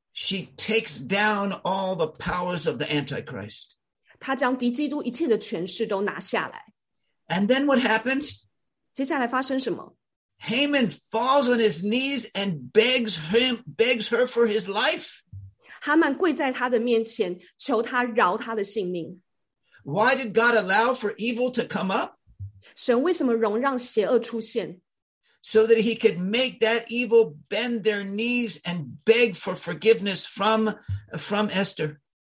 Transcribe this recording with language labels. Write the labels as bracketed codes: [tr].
[en] she takes down all the powers of the Antichrist. [zh] 他将敌基督一切的权势都拿下来。 [en] And then what happens? [zh] 接下来发生什么? [en] Haman falls on his knees and begs her for his life. [zh] 哈曼跪在他的面前,求他饶他的性命。 [en] Why did God allow for evil to come up? [zh] 神为什么容让邪恶出现? [en] So that he could make that evil bend their knees and beg for forgiveness from Esther.